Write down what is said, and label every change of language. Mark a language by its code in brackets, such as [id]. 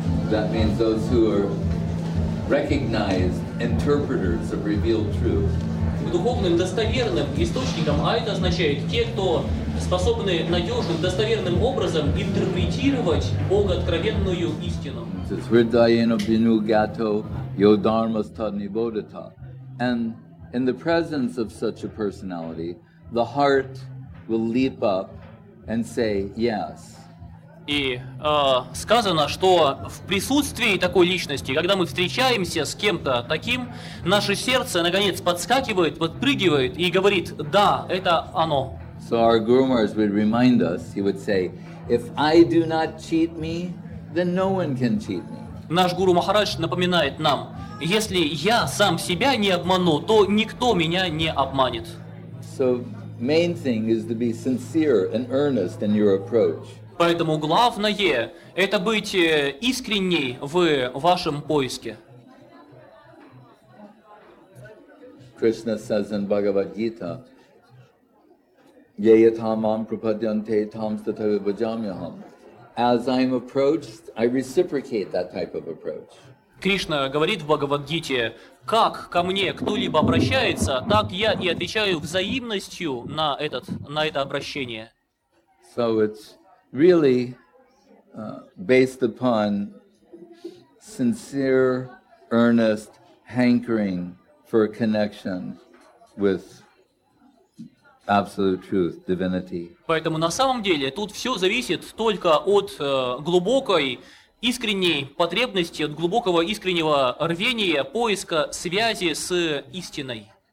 [en] That means those who are recognized interpreters of revealed truth. [ru] К духовным достоверным источникам, а это означает те, кто способны надежным, достоверным образом интерпретировать богооткровенную истину. [sa] Сридаяна бину гато йо дарма стаднибодата. [en] And in the presence of such a personality, the heart will leap up and say yes. [ru] И сказано, что в присутствии такой личности, когда мы встречаемся с кем-то таким, наше сердце наконец подскакивает, подпрыгивает и говорит: «Да, это оно». [en] So our Guru Maharaj would remind us, he would say, if I do not cheat me, then no one can cheat me. [ru] Наш Гуру Махарадж напоминает нам, если я сам себя не обману, то никто меня не обманет. [en] So main thing is to be sincere and earnest in your approach. [ru] Поэтому главное – это быть искренней в вашем поиске. [en] Krishna says in Bhagavad Gita, [sa] «Yeyatam am prapadyante tam stathavi bhajamyaham». [en] As I am approached, I reciprocate that type of approach. [ru] Кришна говорит в Бхагавад-гите, как ко мне кто-либо обращается, так я и отвечаю взаимностью на это обращение. [en] So it's really based upon sincere, earnest hankering for a connection with absolute truth, divinity. [ru] Поэтому на самом деле тут все зависит только от глубокой искренней потребности, от глубокого искреннего рвения, поиска связи с истиной.